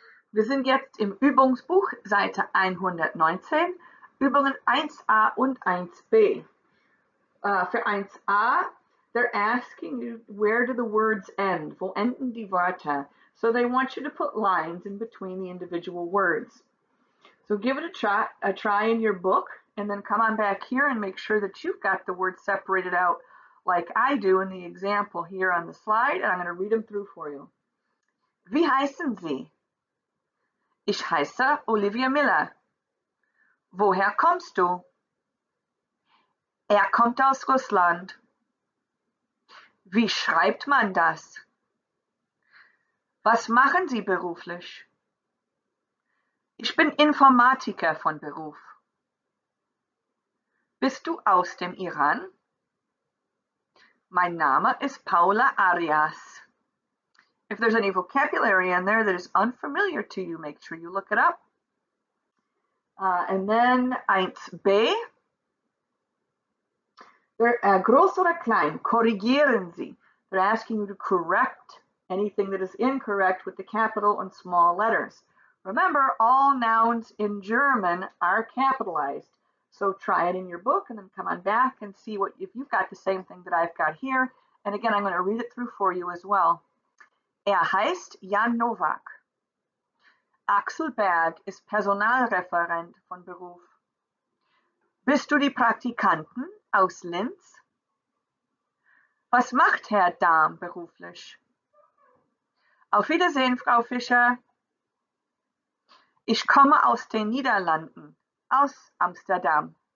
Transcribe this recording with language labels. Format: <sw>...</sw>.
<de>Wir sind jetzt im Übungsbuch, Seite 119, Übungen 1a und 1b. Für 1a,</de> <en>they're asking you, where do the words end?</en> <de>Wo enden die Worte?</de> <en>So they want you to put lines in between the individual words. So give it a try in your book, and then come on back here and make sure that you've got the words separated out like I do in the example here on the slide, and I'm going to read them through for you.</en> <de>Wie heißen Sie? Ich heiße Olivia Miller. Woher kommst du? Er kommt aus Russland. Wie schreibt man das? Was machen Sie beruflich? Ich bin Informatiker von Beruf. Bist du aus dem Iran? Mein Name ist Paula Arias.</de> <en>If there's any vocabulary in there that is unfamiliar to you, make sure you look it up. And then</en> <de>1b, groß oder klein, korrigieren Sie.</de> <en>They're asking you to correct anything that is incorrect with the capital and small letters. Remember, all nouns in German are capitalized. So try it in your book and then come on back and see what if you've got the same thing that I've got here. And again, I'm going to read it through for you as well.</en> <de>Er heißt Jan Novak. Axel Berg ist Personalreferent von Beruf. Bist du die Praktikantin aus Linz? Was macht Herr Dahm beruflich? Auf Wiedersehen, Frau Fischer. Ich komme aus den Niederlanden, aus Amsterdam.</de>